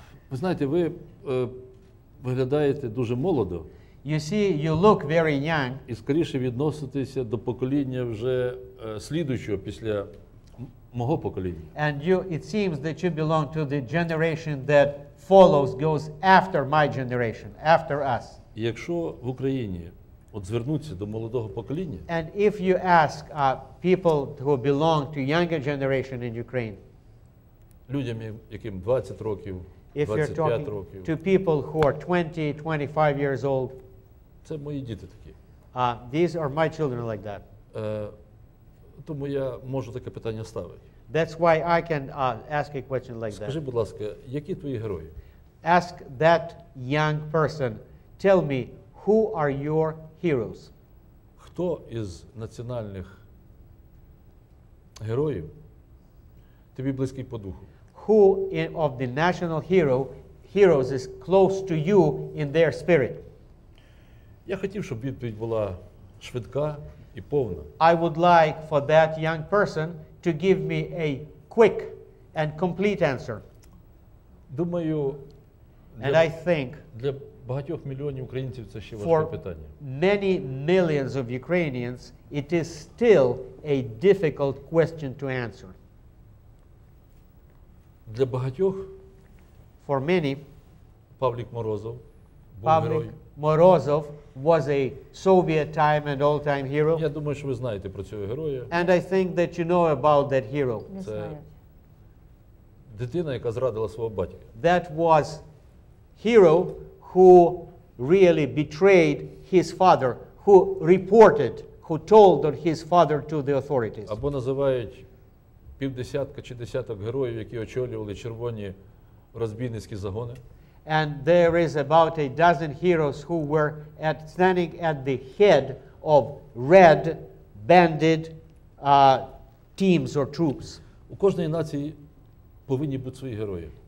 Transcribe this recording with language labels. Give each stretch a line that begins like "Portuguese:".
Ukrainian: Ви знаєте, ви виглядаєте дуже молодо.
English: You see, you look very young.
Ukrainian: І скоріше відноситеся до покоління вже слідуючого після мого покоління.
English: And you, it seems that you belong to the generation that follows, goes after my generation, after us.
Ukrainian: Якщо в Україні от звернуться до молодого покоління,
English: and if you ask people who belong to younger generation in Ukraine,
Ukrainian: людям, яким 20 років, 25 років,
English: to people who are 20, 25 years old,
Ukrainian: це мої діти такі.
English: These are my children like that.
Ukrainian: Тому я можу таке питання ставити.
English: That's why I can ask a question like that.
Ukrainian: Скажи, будь ласка, які твої герої?
English: Ask that young person, tell me, who are your heroes?
Ukrainian: Хто із національних героїв тобі близький по духу?
English: Who in, of the national hero, heroes is close to you in their spirit?
Ukrainian: Я хотів, щоб відповідь була швидка і повна.
English: I would like for that young person to give me a quick and complete answer.
Ukrainian: Думаю,
English: and I think
Ukrainian: для багатьох мільйонів українців це ще важке питання.
English: For many millions of Ukrainians, it is still a difficult question to answer.
Ukrainian: Для багатьох,
English: for many,
Ukrainian: Павлік Морозов був
English: Павлік Морозов was a Soviet time and all time hero.
Ukrainian: Я думаю, що ви знаєте про цього героя.
English: And I think that you know about that hero.
Ukrainian: Це дитина, яка зрадила свого батька.
English: That was hero who really betrayed his father, who reported, who told his father to the authorities.
Ukrainian: Або називають півдесятка чи десяток героїв, які очолювали червоні розбійницькі загони.
English: And there is about a dozen heroes who were at standing at the head of red banded teams or troops.
Ukrainian: У кожної нації повинні бути свої герої.